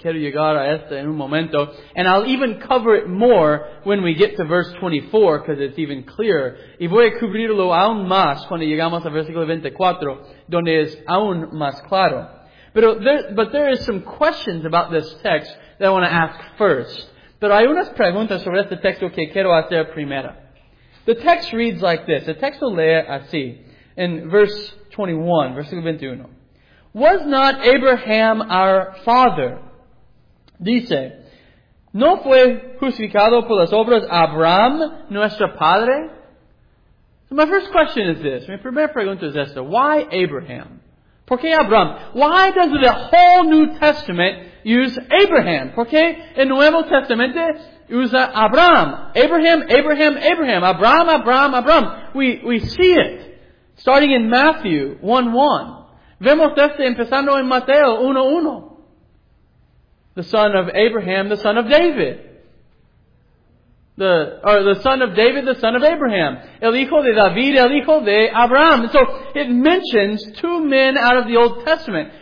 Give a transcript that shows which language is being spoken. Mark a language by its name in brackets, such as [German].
[Spanish] Quiero llegar a esta en un momento. [English] And I'll even cover it more when we get to verse 24, because it's even clearer. [Spanish] Y voy a cubrirlo aún más cuando llegamos al versículo 24, donde es aún más claro. [English] But there is some questions about this text that I want to ask first. [Spanish] Pero hay unas preguntas sobre este texto que quiero hacer primero. [English] The text reads like this. [Spanish] El texto lee así, [English] in verse 21, [Spanish] versículo 21. [English] Was not Abraham our father? [Spanish] Dice, ¿no fue justificado por las obras Abraham, nuestro padre? [English] So my first question is this. [Spanish] Mi primera pregunta es esta. [English] Why Abraham? [Spanish] ¿Por qué Abraham? [English] Why does the whole New Testament use Abraham? [Spanish] ¿Por qué el Nuevo Testamento usa Abraham? Abraham, Abraham, Abraham. Abraham, Abraham, Abraham. [English] We see it. Starting in Matthew 1:1. [Spanish] Vemos este empezando en Mateo 1:1. [English] The son of Abraham, the son of David. The son of David, the son of Abraham. [Spanish] El hijo de David, el hijo de Abraham. [English] So it mentions two men out of the Old Testament.